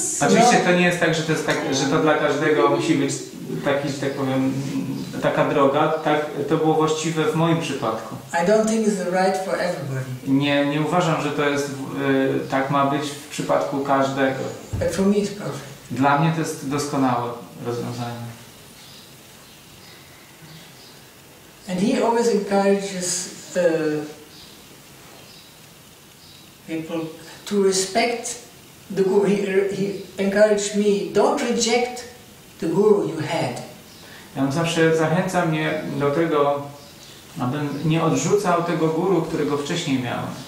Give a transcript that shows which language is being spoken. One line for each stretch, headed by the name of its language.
Polish: Oczywiście to nie jest tak, że to jest tak, że to dla każdego musi być taki, że tak powiem, taka droga, tak, to było właściwe w moim przypadku.
English: I don't think it's the right for everybody.
Polish: Nie uważam, że to jest tak ma być w przypadku każdego.
English: But for me it's perfect.
Polish: Dla mnie to jest doskonałe rozwiązanie.
English: And he always encourages the people to respect the guru. He encouraged me, don't reject the guru you had.
Polish: Ja on zawsze zachęca mnie do tego, abym nie odrzucał tego guru, którego wcześniej miałem.